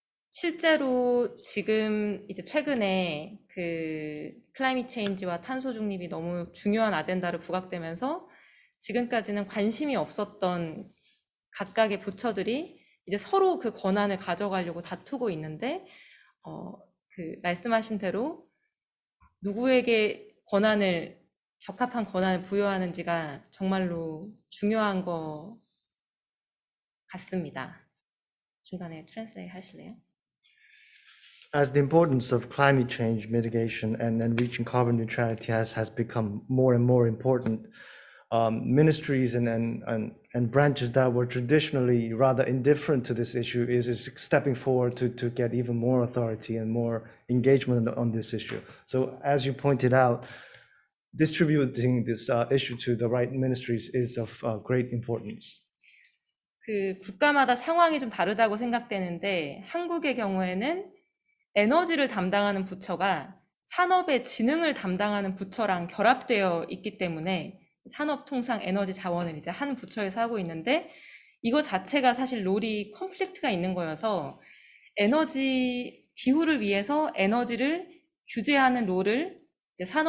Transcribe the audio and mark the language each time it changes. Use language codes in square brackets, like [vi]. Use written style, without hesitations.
[ko] 실제로 지금 이제 최근에 그 클라이밋 체인지와 탄소 중립이 너무 중요한 아젠다로 부각되면서 지금까지는 관심이 없었던 각각의 부처들이 이제 서로 그 권한을 가져가려고 다투고 있는데, 그 말씀하신 대로 누구에게 권한을, 적합한 권한을 부여하는지가 정말로 중요한 것 같습니다. 중간에 트랜슬레이 하실래요? [en] As the importance of climate change mitigation and then reaching carbon neutrality has become more and more important, ministries and branches that were traditionally rather indifferent to this issue is stepping forward to get even more authority and more engagement on this issue. So as you pointed out, distributing this issue to the right ministries is of great importance. [ko] 그 국가마다 상황이 좀 다르다고 생각되는데 한국의 경우에는 에너지를 담당하는 부처가 산업의 지능을 담당하는 부처랑 결합되어 있기 때문에 산업 통상 에너지 자원을 이제 한 부처에서 하고 있는데 이거 자체가 사실 롤이 컨플릭트가 있는 거여서 에너지 기후를 위해서 에너지를 규제하는 롤을 이제